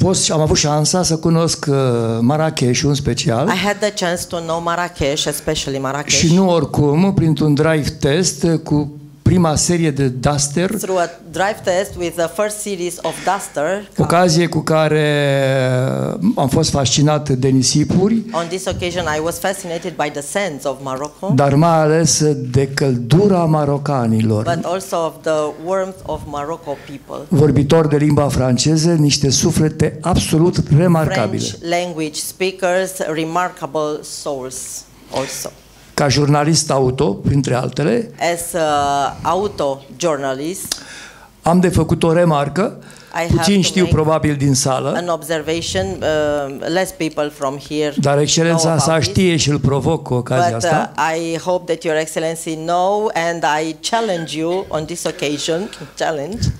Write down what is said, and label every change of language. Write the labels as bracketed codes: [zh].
[ro] Am avut șansa să cunosc Marrakesh în special. [en] I had the chance to know Marrakesh, especially Marrakesh. [ro] Și nu oricum, printr-un drive test cu prima serie de Duster. [en] Through a drive test with the first series of Duster. [ro] Ocazie cu care am fost fascinat de nisipuri. [en] On this occasion I was fascinated by the sands of Morocco. [ro] Dar mai ales de căldura marocanilor. [en] But also of the warmth of Morocco people. [ro] Vorbitori de limba franceză, niște suflete absolut remarcabile. [en] French language speakers, remarkable souls also. [ro] Ca jurnalist auto, printre altele, [en] as auto journalist, [ro] am de făcut o remarcă, puțin știu probabil din sală, [en] an observation, less people from here, [ro] dar excelența sa știe și îl provoc cu ocazia [en] but, [ro] asta. [en] I hope that your excellency know and I challenge you on this occasion, challenge.